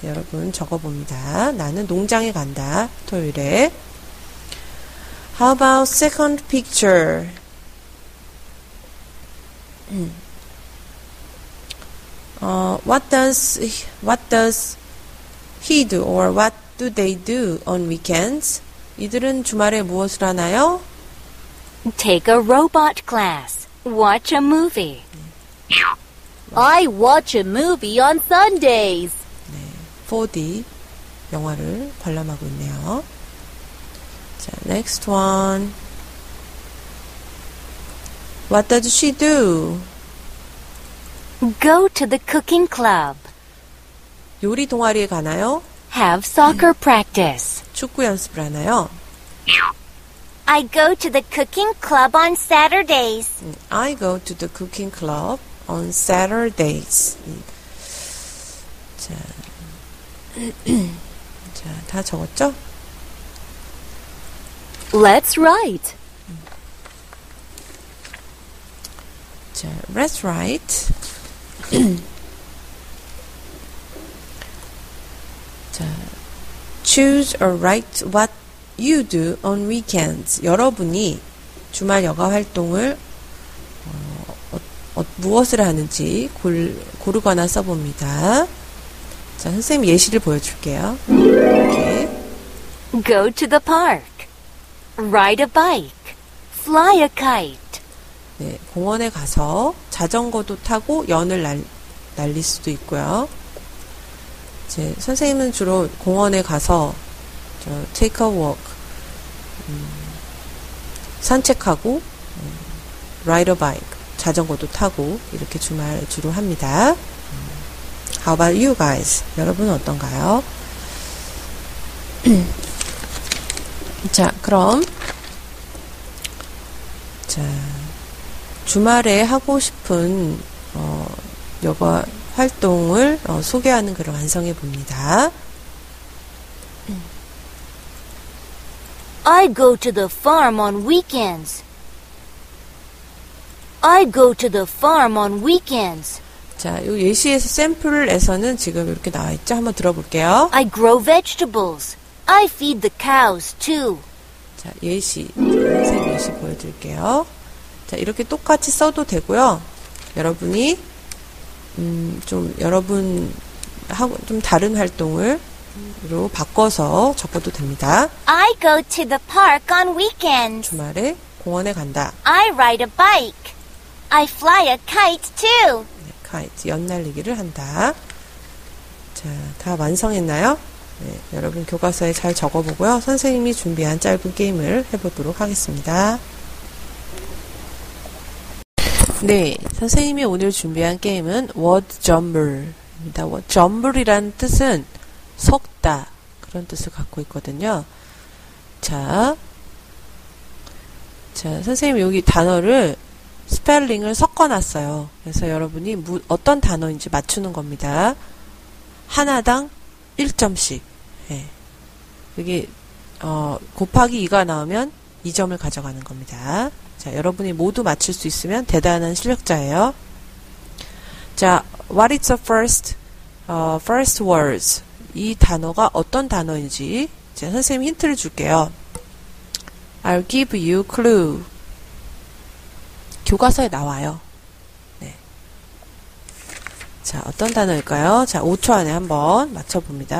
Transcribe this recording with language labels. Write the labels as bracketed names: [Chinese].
[Korean] 여러분 적어봅니다. 나는 농장에 간다. 토요일에. [English] How about second picture? What does he do or what do they do on weekends? [Korean] 이들은 주말에 무엇을 하나요? [English] Take a robot class. Watch a movie. I watch a movie on Sundays. [Korean] 네, 4D 영화를 관람하고 있네요. [English] 자, next one. What does she do? Go to the cooking club. [Korean] 요리 동아리에 가나요? [English] Have soccer practice. [Korean] 축구 연습을 하나요? [English] I go to the cooking club on Saturdays. I go to the cooking club on Saturdays. [Korean] 자, 자, 다 적었죠? [English] Let's write. 자, let's write. 자, choose or write what you do on weekends. [Korean] 여러분이 주말 여가 활동을 무엇을 하는지 고르거나 써봅니다. 자, 선생님 예시를 보여줄게요. 이렇게. [English] Go to the park. Ride a bike. Fly a kite. [Korean] 네, 공원에 가서 자전거도 타고 연을 날릴 수도 있고요. 이제 선생님은 주로 공원에 가서 저 [English] take a walk, [Korean] 산책하고 [English] ride a bike, [Korean] 자전거도 타고 이렇게 주말 주로 합니다. [English] How about you guys? [Korean] 여러분은 어떤가요? 자, 그럼 자 주말에 하고 싶은 요가 활동을 소개하는 글을 완성해 봅니다. [English] I go to the farm on weekends. I go to the farm on weekends. [Korean] 자, 요 예시에서 샘플에서는 지금 이렇게 나와 있죠? 한번 들어볼게요. [English] I grow vegetables. I feed the cows too. [Korean] 자, 예시. 초록색 예시 보여드릴게요. 자, 이렇게 똑같이 써도 되고요. 여러분이 좀 여러분 하고 좀 다른 활동으로 바꿔서 적어도 됩니다. [English] I go to the park on weekends. [Korean] 주말에 공원에 간다. [English] I ride a bike. I fly a kite too. [Korean] 네, 카이트 연날리기를 한다. 자, 다 완성했나요? 네, 여러분 교과서에 잘 적어보고요. 선생님이 준비한 짧은 게임을 해보도록 하겠습니다. 네, 선생님이 오늘 준비한 게임은 word jumble입니다. word jumble이란 뜻은 섞다 그런 뜻을 갖고 있거든요. 자, 선생님이 여기 단어를 스펠링을 섞어놨어요. 그래서 여러분이 어떤 단어인지 맞추는 겁니다. 하나당 1점씩. 네. 여기 곱하기 2가 나오면 2점을 가져가는 겁니다. 자, 여러분이 모두 맞출 수 있으면 대단한 실력자예요. [English] 자, what is the first, first words? [Korean] 이 단어가 어떤 단어인지 이제 선생님 힌트를 줄게요. [English] I'll give you clue. [Korean] 교과서에 나와요. 네. 자, 어떤 단어일까요? 자, 5초 안에 한번 맞춰봅니다.